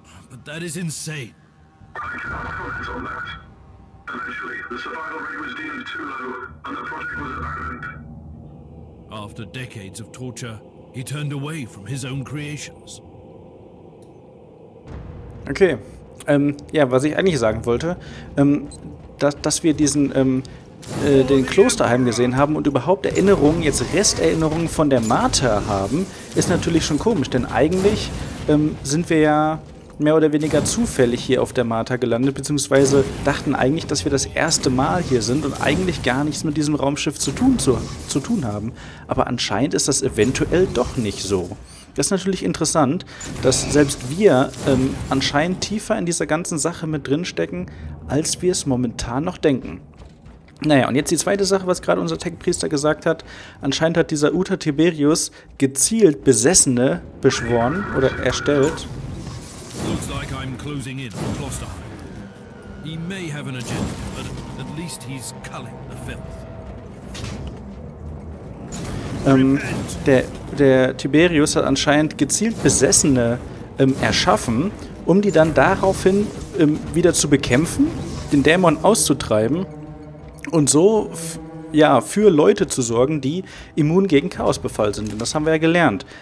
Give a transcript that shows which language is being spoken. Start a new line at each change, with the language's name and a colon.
English: But that is insane. I cannot comment on that. Eventually, the survival rate was deemed too low, and the project was abandoned. After decades of torture, he turned away from his own creations.
German: Okay, ja, was ich eigentlich sagen wollte, dass wir diesen, den Klosterheim gesehen haben und überhaupt Erinnerungen, jetzt Resterinnerungen von der Martyr haben, ist natürlich schon komisch, denn eigentlich sind wir ja mehr oder weniger zufällig hier auf der Martyr gelandet, beziehungsweise dachten eigentlich, dass wir das erste Mal hier sind und eigentlich gar nichts mit diesem Raumschiff zu tun haben. Aber anscheinend ist das eventuell doch nicht so. Das ist natürlich interessant, dass selbst wir anscheinend tiefer in dieser ganzen Sache mit drinstecken, als wir es momentan noch denken. Naja, und jetzt die zweite Sache, was gerade unser Tech-Priester gesagt hat. Anscheinend hat dieser Uta Tiberius gezielt Besessene beschworen oder erstellt.
English: Looks like I'm closing in on Klosterheim. He may have an agenda, but at least he's culling the filth.
German: Der Tiberius hat anscheinend gezielt Besessene erschaffen, um die dann daraufhin wieder zu bekämpfen, den Dämon auszutreiben und so für Leute zu sorgen, die immun gegen Chaosbefall sind. Und das haben wir ja gelernt.